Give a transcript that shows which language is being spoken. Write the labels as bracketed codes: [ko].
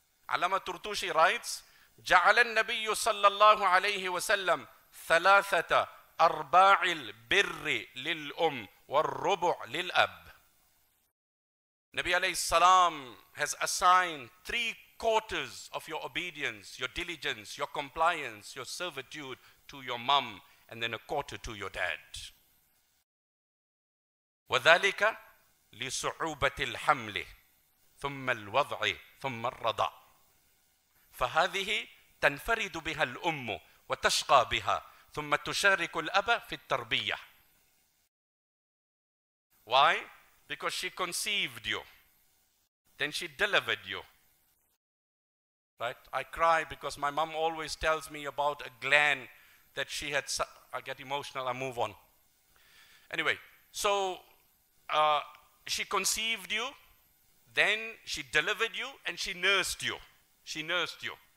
[en] Alama Turtushi writes, [ar] ja'ala an-nabiyyu sallallahu alayhi wa sallam ثلاثة أرباع البر للأم والربع للأب. [en] Nabi alayhi salam has assigned three quarters of your obedience, your diligence, your compliance, your servitude to your mom, and then a quarter to your dad. [ar] وذلك لصعوبة الحمل ثم الوضع ثم الرضع فهذه تنفرد بها الأم وتشقى بها ثم تشارك الأب في التربية. [en] Why? Because she conceived you. Then she delivered you. Right? I cry because my mom always tells me about a gland that she had. I get emotional, I move on. Anyway, so she conceived you, then she delivered you, and she nursed you. She nursed you.